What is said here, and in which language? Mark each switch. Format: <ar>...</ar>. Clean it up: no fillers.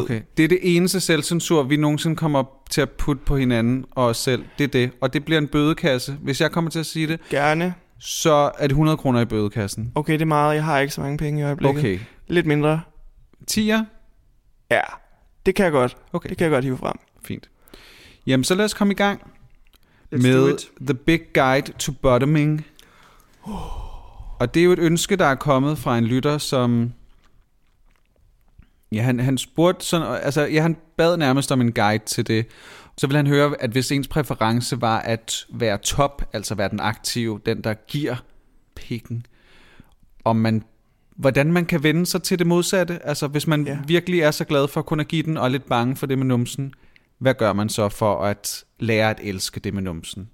<da>Okay. Det er det eneste selvcensur, vi nogensinde kommer til at putte på hinanden og os selv. Det er det. Og det bliver en bødekasse, hvis jeg kommer til at sige det. Gerne. Så er det 100 kroner i bødekassen. Okay, det er meget. Jeg har ikke så mange penge i øjeblikket. Okay. Lidt mindre. 10'er? Ja, det kan jeg godt. Okay. Det kan jeg godt hive frem. Fint. Jamen, så lad os komme i gang.</da> <en>Let's</en> <da>med</da> <en>do it. The Big Guide to Bottoming.</en> <da>Og det er jo et ønske, der er kommet fra en lytter, som... Ja, han spurgte sådan, altså, ja, han bad nærmest om en guide til det. Så ville han høre, at hvis ens præference var at være top, altså være den aktive, den der giver pikken, om man, hvordan man kan vende sig til det modsatte, altså hvis man virkelig er så glad for kun at give den, og er lidt bange for det med numsen, hvad gør man så for at lære at elske det med numsen?</da>